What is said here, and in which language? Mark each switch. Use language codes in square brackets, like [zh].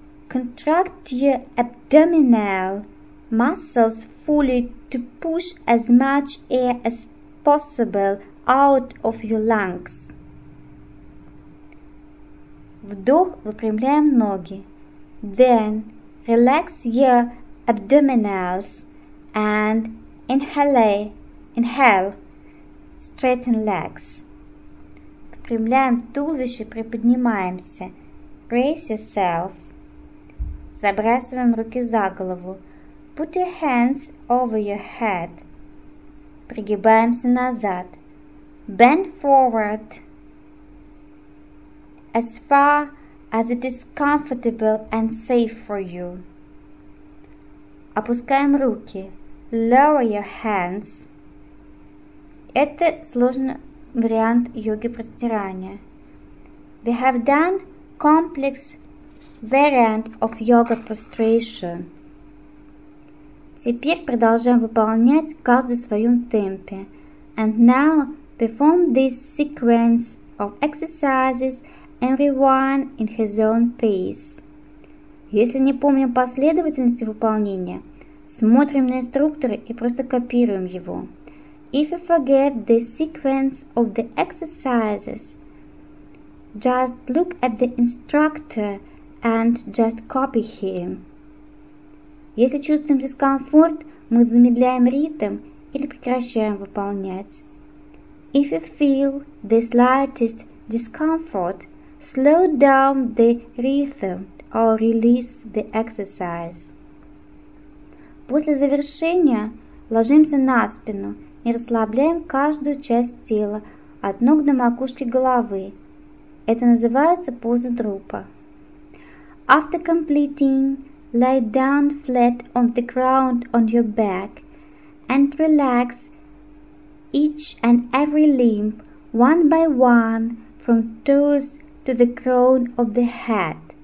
[en] Contract your abdominal muscles fully to push as much air as possible out of your lungs. [ru] Вдох, выпрямляем ноги. [en] Then relax your abdominals and inhale, straighten legs. [ru] Выпрямляем туловище, приподнимаемся. [en] Raise yourself. [ru] Забрасываем руки за голову. [en] Put your hands over your head. [ru] Пригибаемся назад. [en] Bend forward. As far as it is comfortable and safe for you. [ru] Опускаем руки. [en] Lower your hands. [ru] Это сложно. Вариант йоги простирания. [en] We have done complex variant of yoga prostration. [ru] Теперь продолжаем выполнять каждый в своем темпе. [en] And now perform this sequence of exercises, everyone in his own pace. [ru] Если не помним последовательности выполнения, смотрим на инструктора и просто копируем его. [en] If you forget the sequence of the exercises, just look at the instructor and just copy him. [ru] Если чувствуем дискомфорт, мы замедляем ритм или прекращаем выполнять. [en] If you feel the slightest discomfort, slow down the rhythm or release the exercise. [ru] После завершения ложимся на спину и расслабляем каждую часть тела от ног до макушки головы. Это называется поза трупа. [en] After completing, lay down flat on the ground on your back and relax each and every limb, one by one, from toes to the crown of the head.